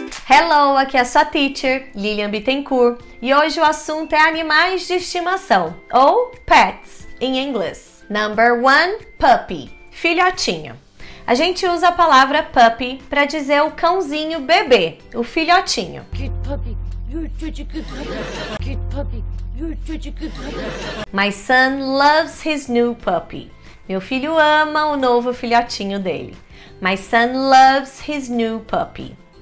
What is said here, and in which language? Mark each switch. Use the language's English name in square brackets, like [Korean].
[Portuguese] Hello, aqui é a sua teacher, Lilian Bittencourt, e hoje o assunto é animais de estimação, ou pets em inglês. Number one, puppy, filhotinho. A gente usa a palavra puppy para dizer o cãozinho bebê, o filhotinho. [English] My son loves his new puppy. [Portuguese] Meu filho ama o novo filhotinho dele. [English] My son loves his new puppy.